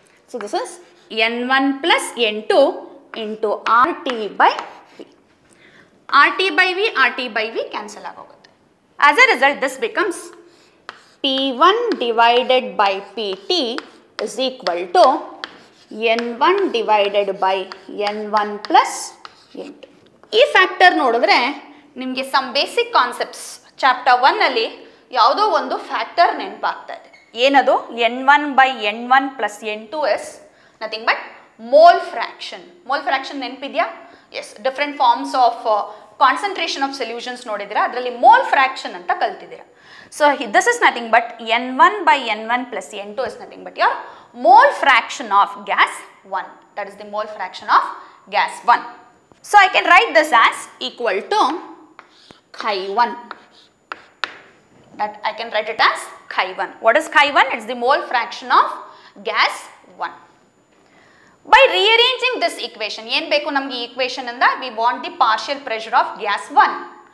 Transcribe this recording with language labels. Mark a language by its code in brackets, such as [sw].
[en] So this is N1 plus N2 into RT by V. RT by V, RT by V cancel out. As a result, this becomes P1 divided by PT is equal to N1 divided by N1 plus N2. [kn] ಈ factor ನೋಡಿದ್ರೆ ನಿಮಗೆ some basic concepts chapter one ಅಲ್ಲಿ ಯಾವುದೋ ಒಂದು factor ನೆನಪಾಗ್ತಾ ಇದೆ. ಏನದು? [en] N one by n one plus n two is nothing but mole fraction. Mole fraction [kn] ನೆನಪಿದ್ಯಾ? [en] Yes. Different forms of concentration of solutions [kn] ನೋಡಿದಿರಾ, ಅದರಲ್ಲಿ mole fraction ಅಂತ ಕಲ್ತಿದ್ದೀರಾ. [en] So this is nothing but n one by n one plus n two is nothing but your mole fraction of gas one. That is the mole fraction of gas one. So I can write this as equal to chi 1. That I can write it as chi 1. What is chi 1? It's the mole fraction of gas 1. By rearranging this equation, [kn] yen beku namge equation inda, [en] we want the partial pressure of gas 1.